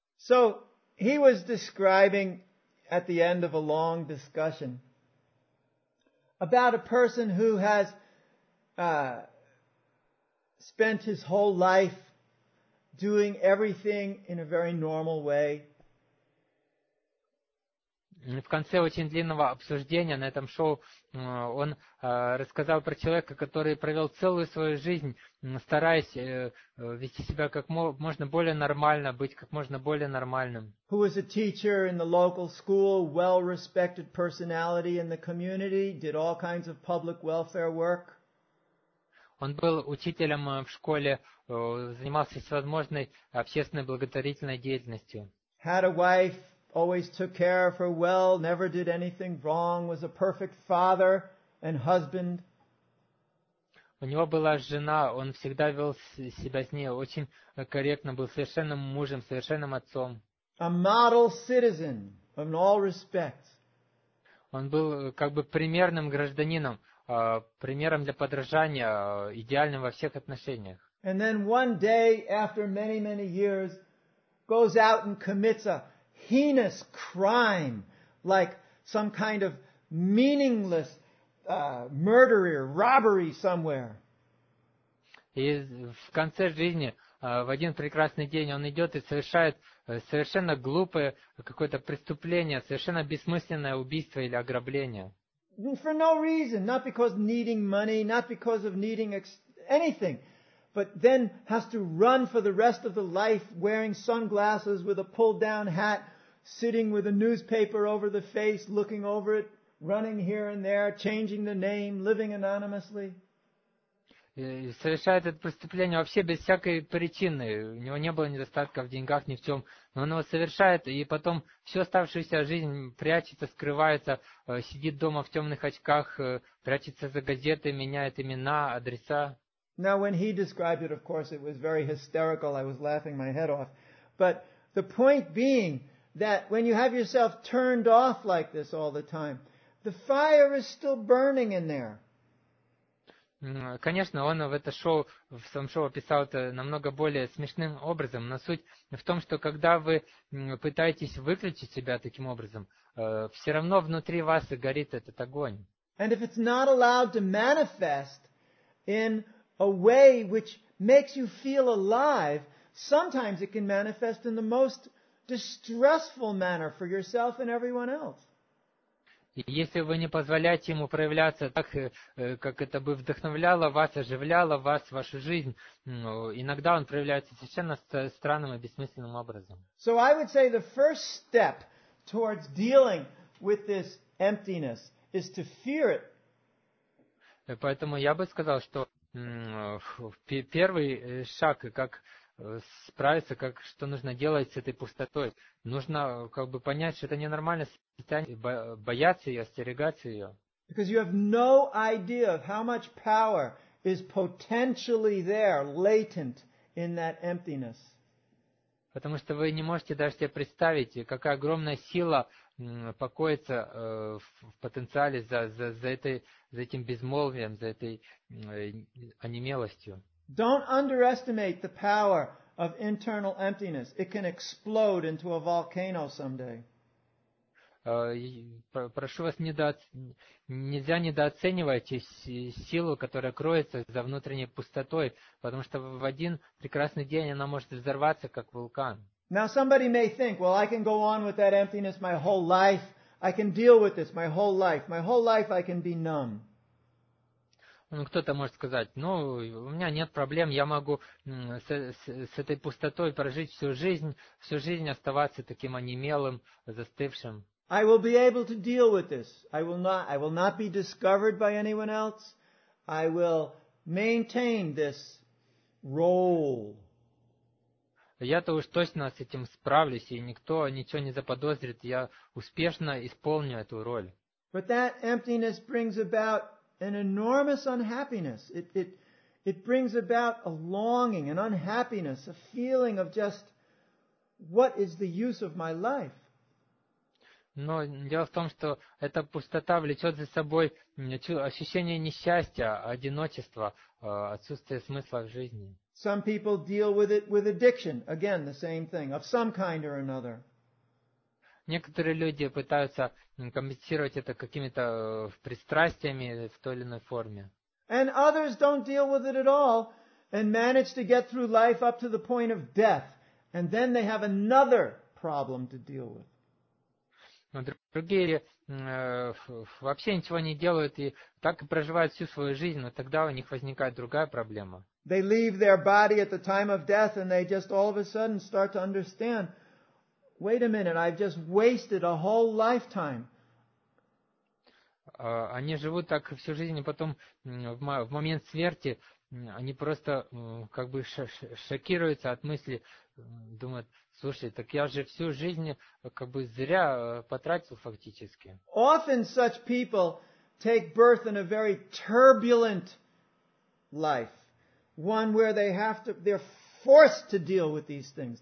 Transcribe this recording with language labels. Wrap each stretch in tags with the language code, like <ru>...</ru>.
<en>So, he was describing at the end of a long discussion about a person who has spent his whole life doing everything in a very normal way.</en> <ru>В конце очень длинного обсуждения на этом шоу он рассказал про человека, который провел целую свою жизнь, стараясь вести себя как можно более нормально, быть как можно более нормальным.</ru> <en>Who was a teacher in the local school, well-respected personality in the community, did all kinds of public welfare work.</en> <ru>Он был учителем в школе, занимался всевозможной общественной благотворительной деятельностью.</ru> <en>Had a wife. Always took care of her well, never did anything wrong, was a perfect father and husband.</en> <ru>У него была жена, он всегда вел себя с ней очень корректно, был совершенным мужем, совершенным отцом.</ru> <en>A model citizen in all respects.</en> <ru>Он был как бы примерным гражданином, примером для подражания, идеальным во всех отношениях.</ru> <en>And then one day, after many, many years, goes out and commits a heinous crime, like some kind of meaningless murder or robbery somewhere.</en> <ru>И в конце жизни в один прекрасный день он идет и совершает совершенно глупое какое-то преступление, совершенно бессмысленное убийство или ограбление.</ru> <en>For no reason, not because needing money, not because of needing anything, but then has to run for the rest of the life wearing sunglasses with a pulled down hat, sitting with a newspaper over the face, looking over it, running here and there, changing the name, living anonymously.</en> <ru>И совершает это преступление вообще без всякой причины. У него не было недостатка в деньгах, ни в чем. Но он его совершает, и потом всю оставшуюся жизнь прячется, скрывается, сидит дома в темных очках, прячется за газеты, меняет имена, адреса.</ru> <en>Now, when he described it, of course, it was very hysterical. I was laughing my head off. But the point being that when you have yourself turned off like this all the time, the fire is still burning in there.</en> <ru>Конечно, он в это шоу, в своем шоу описал это намного более смешным образом, но суть в том, что когда вы пытаетесь выключить себя таким образом, все равно внутри вас и горит этот огонь.</ru> <en>And if it's not allowed to manifest in a way which makes you feel alive, sometimes it can manifest in the most distressful manner for yourself and everyone else.</en> <ru>Если вы не позволяете ему проявляться так, как это бы вдохновляло вас, оживляло вас, вашу жизнь, иногда он проявляется совершенно странным и бессмысленным образом.</ru> <en>So I would say the first step towards dealing with this emptiness is to fear it.</en> <ru>Поэтому я бы сказал, что первый шаг, как справиться, как что нужно делать с этой пустотой. Нужно как бы понять, что это ненормальное состояние, бояться ее, остерегаться ее.</ru> <en>Because you have no idea of how much power is potentially there, latent in that emptiness.</en> <ru>Потому что вы не можете даже себе представить, какая огромная сила покоится в потенциале за этим безмолвием, за этой онемелостью.</ru> <en>Don't underestimate the power of internal emptiness. It can explode into a volcano someday.</en> <ru>Прошу вас, нельзя недооценивать силу, которая кроется за внутренней пустотой, потому что в один прекрасный день она может взорваться, как вулкан.</ru> <en>Now somebody may think, well, I can go on with that emptiness my whole life. I can deal with this my whole life. My whole life I can be numb.</en> <ru>Ну, кто-то может сказать, ну, у меня нет проблем, я могу с этой пустотой прожить всю жизнь оставаться таким онемелым, застывшим.</ru> <en>I will be able to deal with this. I will not be discovered by anyone else. I will maintain this role.</en> <ru>Я-то уж точно с этим справлюсь, и никто ничего не заподозрит, я успешно исполню эту роль.</ru> <en>But that emptiness brings about an enormous unhappiness. It brings about a longing, an unhappiness, a feeling of just what is the use of my life.</en> <ru>Но дело в том, что эта пустота влечет за собой ощущение несчастья, одиночества, отсутствие смысла в жизни.</ru> <en>Some people deal with it with addiction. Again, the same thing, of some kind or another.</en> <ru>Некоторые люди пытаются компенсировать это какими-то пристрастиями в той или иной форме.</ru> <en>And others don't deal with it at all and manage to get through life up to the point of death. And then they have another problem to deal with.</en> <ru>Другие вообще ничего не делают и так и проживают всю свою жизнь, но тогда у них возникает другая проблема.</ru> <en>They leave their body at the time of death and they just all of a sudden start to understand, wait a minute, I've just wasted a whole lifetime.</en> <ru>Они живут так всю жизнь, и потом в момент смерти они просто как бы шокируются от мысли, думают, слушай, так я же всю жизнь как бы зря потратил фактически.</ru> <en>Often such people take birth in a very turbulent life, one where they're forced to deal with these things.</en>